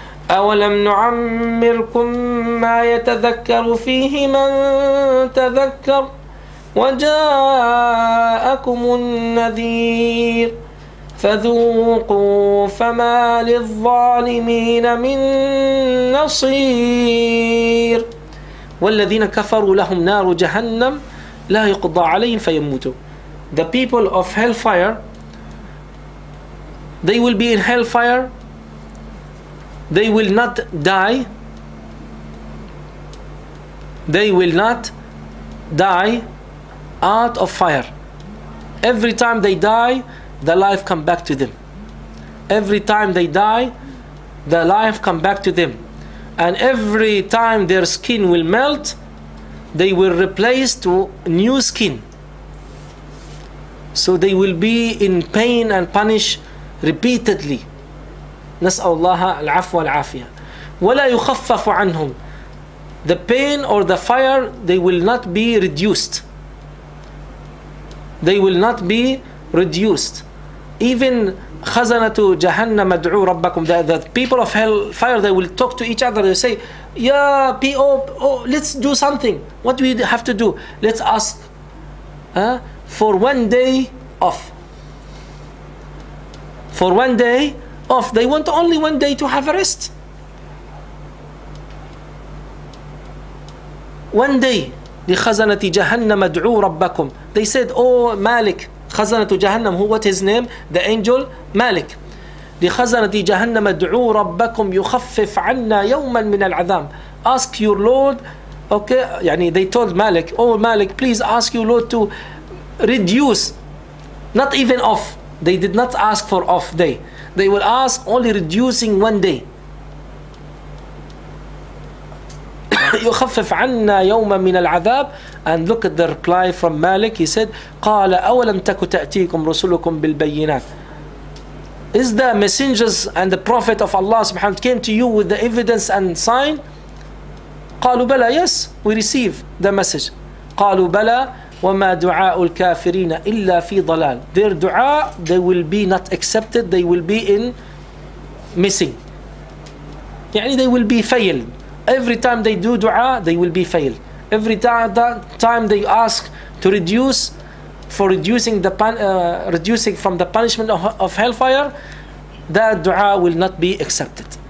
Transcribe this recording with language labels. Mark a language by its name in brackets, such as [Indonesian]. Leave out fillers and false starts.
[Arabic] أولم نعمركم ما يتذكر فيه من تذكر وجاءكم النذير فذوقوا فما للظالمين من نصير والذين كفروا لهم نار جهنم لا يقضى عليهم فيموتوا. [English] The people of hellfire, they will be in hellfire, they will not die, they will not die out of fire. Every time they die, the life come back to them. Every time they die, the life come back to them. And every time their skin will melt, they will replace to new skin. So they will be in pain and punish repeatedly. [Arabic] نسأل الله العفو والعافية. ولا يخفف عنهم. [English] The pain or the fire, they will not be reduced. They will not be reduced. Even خزنته جهنم ادعوا ربكم, the people of hell fire, they will talk to each other. They say, yeah, PO, oh, let's do something. What do we have to do? Let's ask for one day off. For one day off. They want only one day to have a rest. [Arabic] One day. لخزنة جهنم ادعوا ربكم. [English] They said, oh, Malik. خزنة جهنم, who, what his name? The angel Malik. [Arabic] لخزنة جهنم ادعوا ربكم يخفف عنا يوما من العذاب. [English] Ask your Lord, okay, يعني they told Malik, oh Malik, please ask your Lord to reduce, not even off. They did not ask for off day. They will ask only reducing one day. يخفف عنا يوما من العذاب. And look at the reply from Malik. [Arabic] He said, قال أولم تك تأتيكم رسلكم بالبينات. [English] Is the messengers and the prophet of Allah subhanahu wa ta'ala came to you with the evidence and sign? قالوا بلى. Yes, we receive the message. [Arabic] قالوا بلى وما دعاء الكافرين إلا في ضلال. [English] Their dua, they will be not accepted, they will be in missing, يعني they will be failed. Every time they do dua, they will be failed. Every time they ask to reduce, for reducing the reducing from the punishment of hellfire, that dua will not be accepted.